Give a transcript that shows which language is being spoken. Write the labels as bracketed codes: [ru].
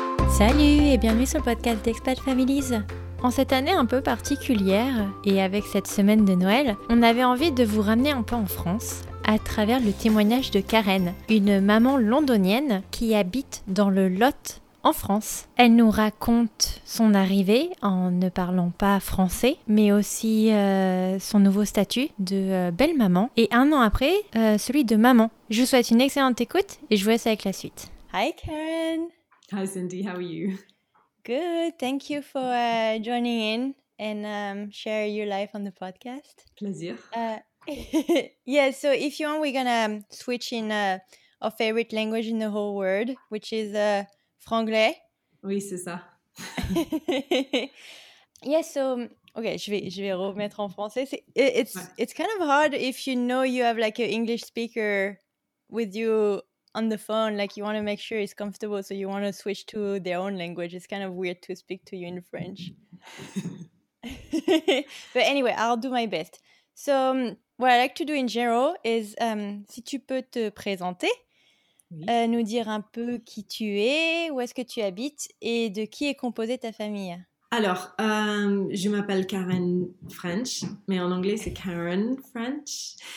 [fr] Salut et bienvenue sur le podcast d'Expat Families. En cette année un peu particulière et avec cette semaine de Noël, on avait envie de vous ramener un peu en France à travers le témoignage de Karen, une maman londonienne qui habite dans le Lot en France. Elle nous raconte son arrivée en ne parlant pas français, mais aussi son nouveau statut de belle maman et un an après, celui de maman. Je vous souhaite une excellente écoute et je vous laisse avec la suite. [en] Hi Karen! Hi Cindy, how are you? Good, thank you for joining in and share your life on the podcast. [fr] Plaisir. [en] yeah, so if you want, we're going to switch in our favorite language in the whole world, which is franglais. [fr] Oui, c'est ça. [en] yeah, so, okay, [fr] je vais remettre en français. [en] It's kind of hard if you know you have like an English speaker with you on the phone, like you want to make sure it's comfortable, so you want to switch to their own language. It's kind of weird to speak to you in French. But anyway, I'll do my best. So what I like to do in general is, [fr] si tu peux te présenter, oui. Nous dire un peu qui tu es, où est-ce que tu habites et de qui est composée ta famille. Alors, je m'appelle Karen French, mais en anglais c'est Karen French.